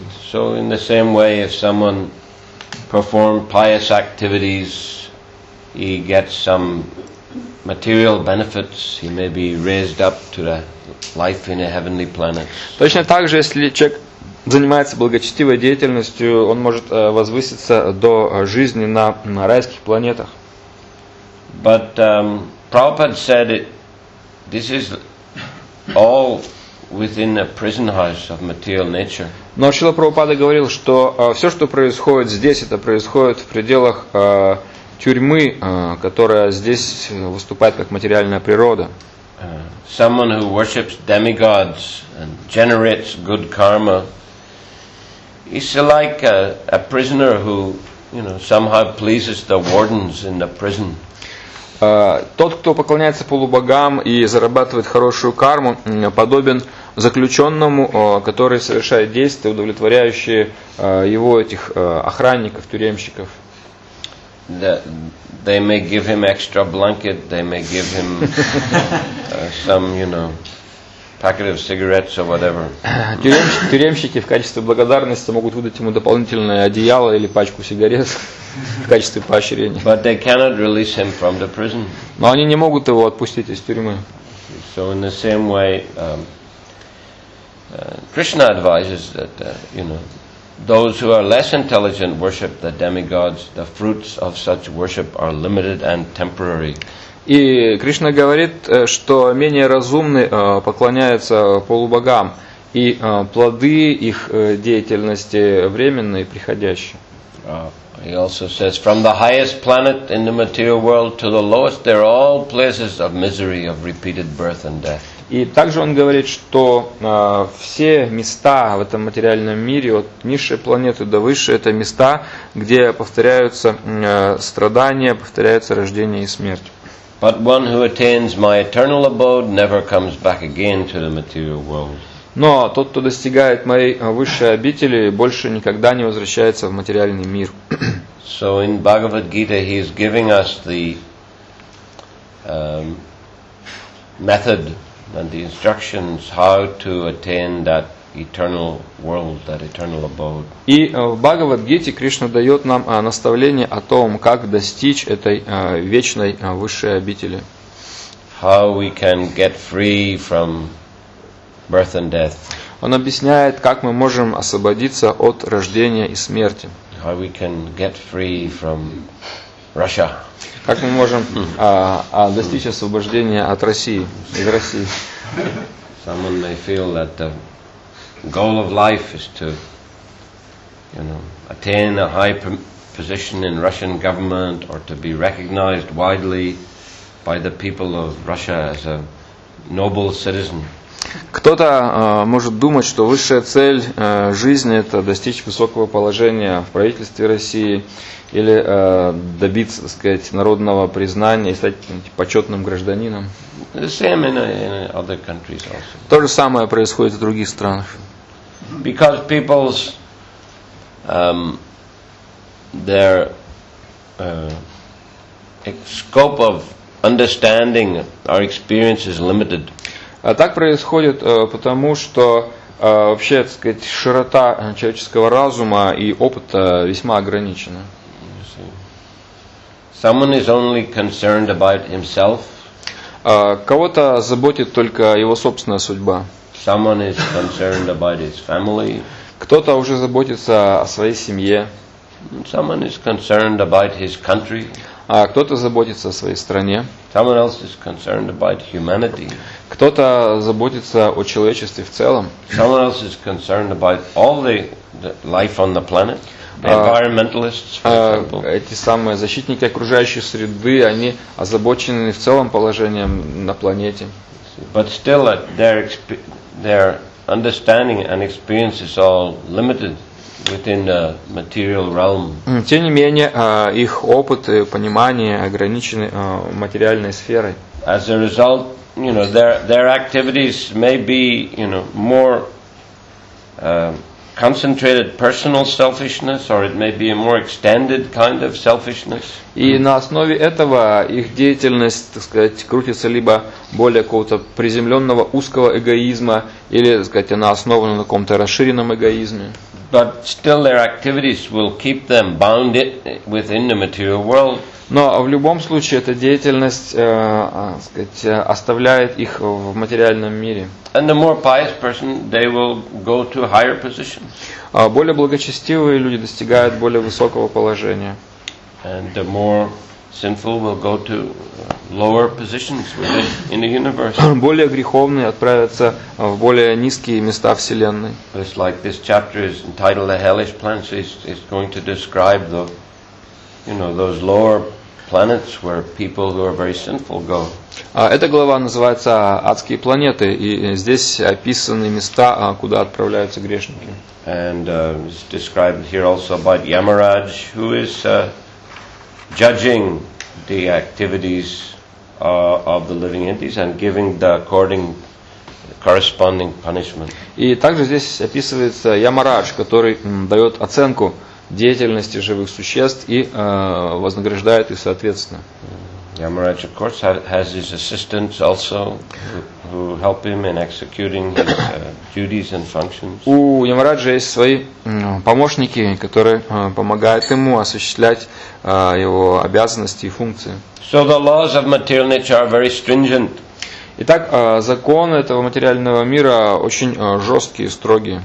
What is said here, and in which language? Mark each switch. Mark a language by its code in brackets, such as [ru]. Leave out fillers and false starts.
[en] So in the same way, if someone performs pious activities, he gets some material benefits, he may be raised up to the life in a heavenly planet. [ru] Точно так же, если человек занимается благочестивой деятельностью, он может возвыситься до жизни на райских планетах. [en] But Prabhupada said it, this is all within a prison house of material nature. [ru] Но Шрила Прабхупада говорил, что все, что происходит здесь, это происходит в пределах тюрьмы, которая здесь выступает как материальная природа. [en] Someone who worships demigods and generates good karma is like a prisoner who, you know, somehow pleases the wardens in the prison. [ru] Тот, кто поклоняется полубогам и зарабатывает хорошую карму, подобен заключенному, который совершает действия, удовлетворяющие его этих охранников, тюремщиков. [en] They may give him extra blanket, they may give him some, you know, packet of cigarettes or whatever. [ru] Тюремщики в качестве благодарности могут выдать ему дополнительное одеяло или пачку сигарет в качестве поощрения. [en] But they cannot release him from the prison. [ru] Но они не могут его отпустить из тюрьмы. [en] So in the same way, Krishna advises that, you know, those who are less intelligent worship the demigods. The fruits of such worship are limited and temporary. [ru] И Кришна говорит, что менее разумные поклоняются полубогам, и плоды их деятельности временные, приходящие. [en] He also says, from the highest planet in the material world to the lowest, they're all places of misery, of repeated birth and death. [ru] И также он говорит, что все места в этом материальном мире, от низшей планеты до высшей, это места, где повторяются страдания, повторяются рождение и смерть. [en] But one who attains my eternal abode never comes back again to the material world. [ru] Но тот, кто достигает моей высшей обители, больше никогда не возвращается в материальный мир. [en] So in Bhagavad Gita he is giving us the method and the instructions how to attain that eternal world, that eternal abode. [ru] И в Бхагавад-гите Кришна дает нам наставление о том, как достичь этой вечной высшей обители. [en] How we can get free from birth and death. [ru] Он объясняет, как мы можем освободиться от рождения и смерти. [en] How we can get free from Russia. [ru] Как мы можем достичь освобождения от России, из России? [en] Someone may feel that the goal of life is to, you know, attain a high position in Russian government or to be recognized widely by the people of Russia as a noble citizen. [ru] Кто-то может думать, что высшая цель жизни – это достичь высокого положения в правительстве России или добиться, так сказать, народного признания и стать почетным гражданином. [en] The same in other countries also. [ru] То же самое происходит в других странах. [en] Because people's their scope of understanding or experience is limited. [ru] А так происходит потому, что вообще, так сказать, широта человеческого разума и опыта весьма ограничена. [en] Someone is only concerned about himself. [ru] Кого-то заботит только его собственная судьба. [en] Someone is concerned about his family. [ru] Кто-то уже заботится о своей семье. [en] Someone is concerned about his country. [ru] А кто-то заботится о своей стране. [en] Someone else is concerned about humanity. [ru] Кто-то заботится о человечестве в целом. [en] Someone else is concerned about all the life on the planet. Environmentalists, for example. [ru] Эти самые защитники окружающей среды, они озабочены в целом положением на планете. [en] But still, their understanding and experience is all limited within the material realm. [ru] Тем не менее, их опыт и понимание ограничены материальной сферой. [en] As a result, you know, their activities may be, you know, more concentrated personal selfishness, or it may be a more extended kind of selfishness. [ru] И на основе этого их деятельность, так сказать, крутится либо более какого-то приземленного узкого эгоизма, или, так сказать, она основана на каком-то расширенном эгоизме. [en] But still their activities will keep them bound within the material world. [ru] Но в любом случае эта деятельность, сказать, оставляет их в материальном мире. [en] And the more pious person, they will go to a higher position. [ru] Более благочестивые люди достигают более высокого положения. [en] And the more sinful will go to lower positions within in the universe. [ru] Более греховные отправятся в более низкие места вселенной. [en] Just like this chapter is entitled "The Hellish Planets," it's going to describe the, you know, those lower planets where people who are very sinful go. [ru] Эта глава называется "Адские планеты", и здесь описаны места, куда отправляются грешники. [en] And it's described here also about Yamaraj, who is judging the activities of the living entities and giving the corresponding punishment. [ru] И также здесь описывается Ямарадж, который дает оценку деятельности живых существ и вознаграждает их соответственно. [en] Ямарадж, of course, has his assistants also who help him in executing his duties and functions. [ru] У Ямараджа есть свои помощники, которые помогают ему осуществлять его обязанности и функции. [en] So the laws of material nature are very stringent. [ru] Итак, законы этого материального мира очень жесткие, строгие.